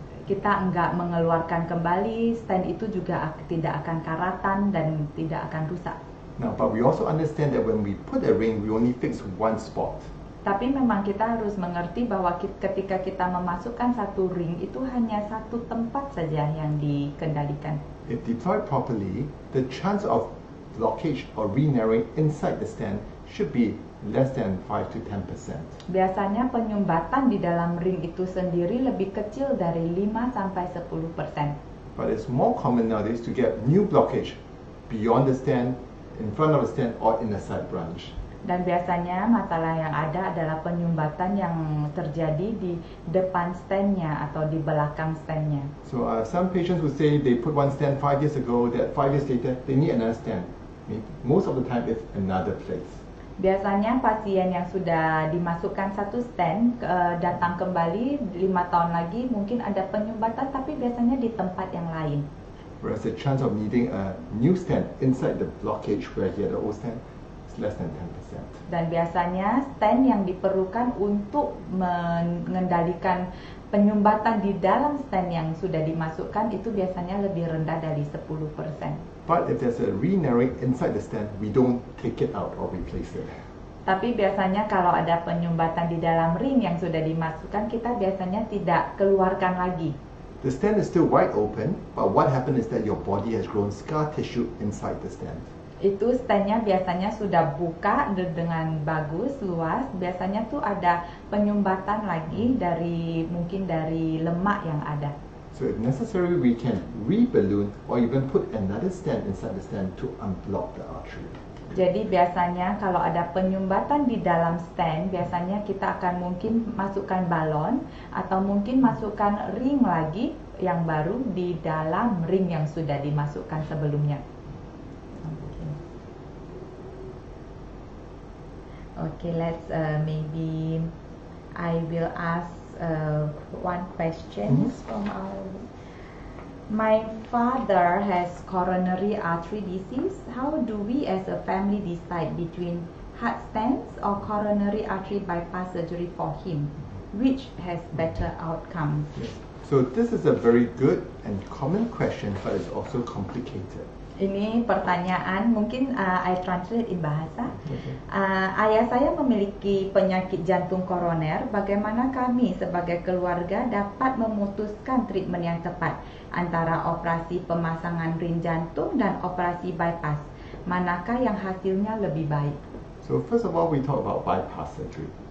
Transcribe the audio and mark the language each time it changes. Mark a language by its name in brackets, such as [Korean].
[Indonesian] Kita enggak mengeluarkan kembali, stent itu juga tidak akan karatan dan tidak akan rusak. [English] Now, but we also understand that when we put a ring, we only fix one spot. [Indonesian] Tapi memang kita harus mengerti bahwa ketika kita memasukkan satu ring, itu hanya satu tempat saja yang dikendalikan. [English] If deployed properly, the chance of blockage or re-narrowing inside the stent should be less than 5-10%. [Indonesian] Biasanya penyumbatan di dalam ring itu sendiri lebih kecil dari 5-10%. [English] But it's more common nowadays to get new blockage beyond the stent, in front of the stent, or in the side branch. [Indonesian] Dan biasanya masalah yang ada adalah penyumbatan yang terjadi di depan stentnya atau di belakang stentnya. [English] So some patients would say they put one stent 5 years ago, that 5 years later they need another stent. Most of the time it's another place. [Indonesian] Biasanya pasien yang sudah dimasukkan satu stent datang kembali 5 tahun lagi mungkin ada penyumbatan tapi biasanya di tempat yang lain. [English] Whereas the chance of needing a new stent inside the blockage where he had the old stent is less than 10%. [Indonesian] Dan biasanya stent yang diperlukan untuk mengendalikan penyumbatan di dalam stent yang sudah dimasukkan itu biasanya lebih rendah dari 10%. [English] But if there's a re-narrowing inside the stent, we don't take it out or replace it. [Indonesian] Tapi biasanya kalau ada penyumbatan di dalam ring yang sudah dimasukkan, kita biasanya tidak keluarkan lagi. [English] The stent is still wide open, but what happened is that your body has grown scar tissue inside the stent. [Indonesian] Itu stentnya biasanya sudah buka dengan bagus, luas. Biasanya tuh ada penyumbatan lagi dari mungkin dari lemak yang ada. [English] So if necessary, we can re-balloon or even put another stent inside the stent to unblock the artery. [Indonesian] Jadi biasanya kalau ada penyumbatan di dalam stent, biasanya kita akan mungkin masukkan balon atau mungkin masukkan ring lagi yang baru di dalam ring yang sudah dimasukkan sebelumnya. [English] Okay, let's maybe I will ask one question from my father has coronary artery disease. How do we as a family decide between heart stents or coronary artery bypass surgery for him? Which has better outcome? Yes. So this is a very good and common question, but it's also complicated. [Indonesian] Ini pertanyaan, mungkin [English] I translate in [Indonesian] bahasa. Ayah saya memiliki penyakit jantung koroner. Bagaimana kami sebagai keluarga dapat memutuskan treatment yang tepat antara operasi pemasangan ring jantung dan operasi bypass? Manakah yang hasilnya lebih baik? [English] So first of all, we talk about bypass surgery.